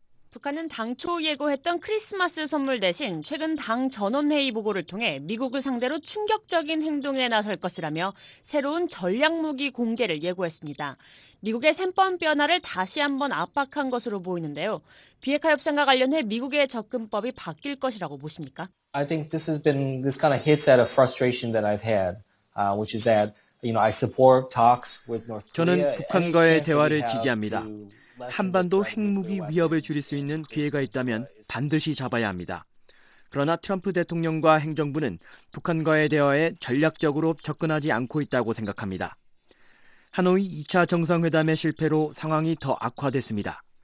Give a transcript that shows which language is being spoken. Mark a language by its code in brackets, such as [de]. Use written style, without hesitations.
[ko] 북한은 당초 예고했던 크리스마스 선물 대신 최근 당 전원회의 보고를 통해 미국을 상대로 충격적인 행동에 나설 것이라며 새로운 전략무기 공개를 예고했습니다. 미국의 셈법 변화를 다시 한번 압박한 것으로 보이는데요. 비핵화 협상과 관련해 미국의 접근법이 바뀔 것이라고 보십니까? [en] I think this has been this kind of hits at a frustration that I've had, which is that you know I support talks with North Korea. [ko] 저는 북한과의 대화를 지지합니다. 한반도 핵무기 위협을 줄일 수 있는 기회가 있다면 반드시 잡아야 합니다. 그러나 트럼프 대통령과 행정부는 북한과의 대화에 전략적으로 접근하지 않고 있다고 생각합니다. 하노이 2차 정상회담의 실패로 상황이 더 악화됐습니다.